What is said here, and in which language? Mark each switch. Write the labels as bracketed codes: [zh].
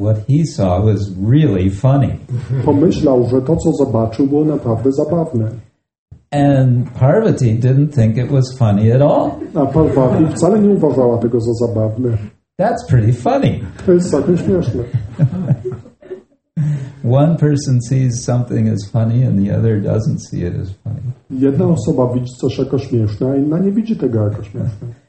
[en] what he saw was really funny. [pl] Pomyślał, że to, co zobaczył, było naprawdę zabawne. [en] And Parvati didn't think it was funny at all. [pl] A Parvati wcale nie uważała tego za zabawne. [en] That's pretty funny. [pl] To jest całkiem śmieszne. [en] One person sees something as funny and the other doesn't see it as funny. [pl] Jedna osoba widzi coś jako śmieszne, a inna nie widzi tego jako śmieszne.